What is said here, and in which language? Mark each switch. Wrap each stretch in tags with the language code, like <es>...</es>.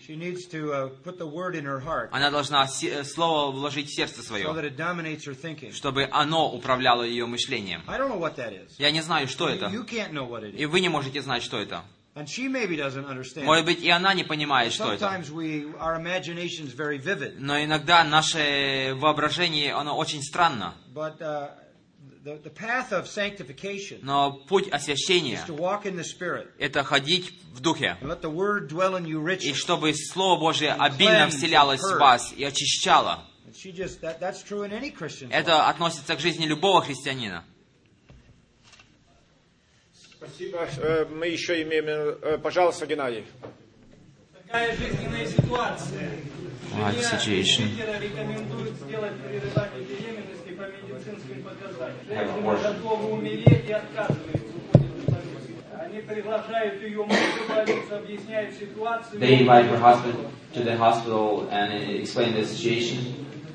<en>She needs to put the word in her heart.</en> <ru>Она должна слово вложить в сердце свое.</ru> <en>So that it dominates her thinking.</en> <ru>Чтобы оно управляло ее мышлением.</ru> <en>I don't know what that is.</en> <ru>Я не знаю, что это.</ru> <en>You can't know what it is.</en> <ru>И вы не можете знать, что это.</ru> <en>And she maybe doesn't understand.</en> <ru>Может быть, и она не понимает, что это.</ru> <en>Sometimes our imagination is very vivid.</en> <ru>Но иногда наше воображение оно очень странно.</ru> <en>But the path of sanctification.</en> <ru>Но путь освящения.</ru> <en>Is to walk in the Spirit.</en> <ru>Это ходить в духе.</ru> <en>And let the word dwell in you richly.</en> <ru>И чтобы слово Божие обильно вселялось в вас и очищало.</ru> <en>And she just that's true in any Christian.</en> <ru>Это относится к жизни любого христианина. Спасибо. Мы еще имеем, пожалуйста, Геннадий. Такая жизненная ситуация.</ru> <en>What situation? They invite her husband to the hospital and explain the situation.</en>